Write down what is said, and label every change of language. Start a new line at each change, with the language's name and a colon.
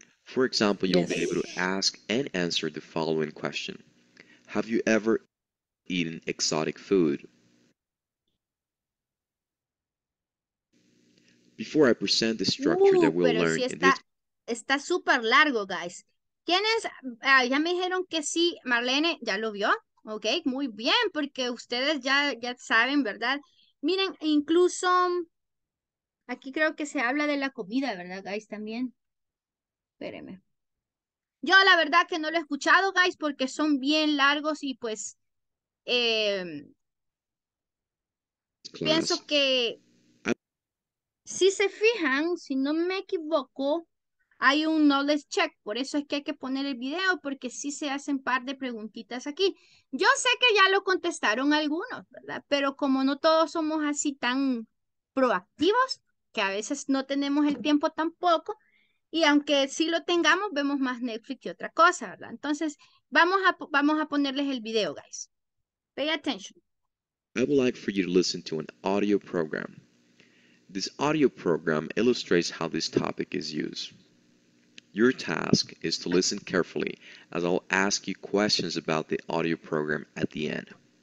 English: For example, you'll be able to ask and answer the following question. Have you ever eaten exotic food? Before I present the structure that we'll learn
Spanish: si está,
English: in this...
Spanish: Está super largo, guys. ¿Quiénes? Ya me dijeron que sí, Marlene, ya lo vio. Ok, muy bien, porque ustedes ya saben, ¿verdad? Miren, incluso... Aquí creo que se habla de la comida, ¿verdad, guys, también? Espéreme. Yo la verdad que no lo he escuchado, guys, porque son bien largos y pues pienso que si se fijan, si no me equivoco, hay un knowledge check. Por eso es que hay que poner el video, porque sí se hacen par de preguntitas aquí. Yo sé que ya lo contestaron algunos, ¿verdad? Pero como no todos somos así tan proactivos, que a veces no tenemos el tiempo tampoco, y aunque sí lo tengamos, vemos más Netflix y otra cosa, ¿verdad? Entonces, vamos a ponerles el video, guys.
English: Pay attention. I would like for you to listen to an audio program. This audio program illustrates how this topic is used. Your task is to listen carefully, as I'll ask you questions about the audio program at the end.